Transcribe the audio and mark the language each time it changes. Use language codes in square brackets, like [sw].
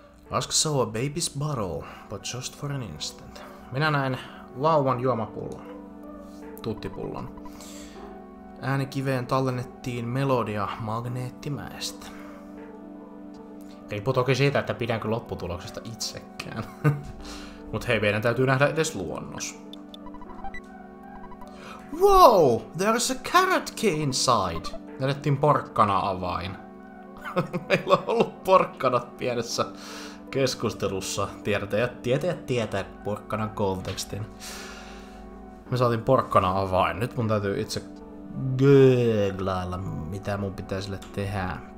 [en] Ask so a baby's bottle, but just for an instant. [fi] Minä näen vauvan juomapullon. Tuttipullon. Äänikiveen tallennettiin melodia Magneettimäestä. Riippuu toki siitä, että pidänkö lopputuloksesta itsekään. Mut hei, meidän täytyy nähdä edes luonnos. [en] Wow, there's a carrot key inside! [fi] Näytettiin porkkana-avain. Meillä on ollut porkkanat pienessä keskustelussa. Tietäjät tietää porkkanan kontekstin. Me saatiin porkkana-avain. Nyt mun täytyy itse googlailla, mitä mun pitää sille tehdä.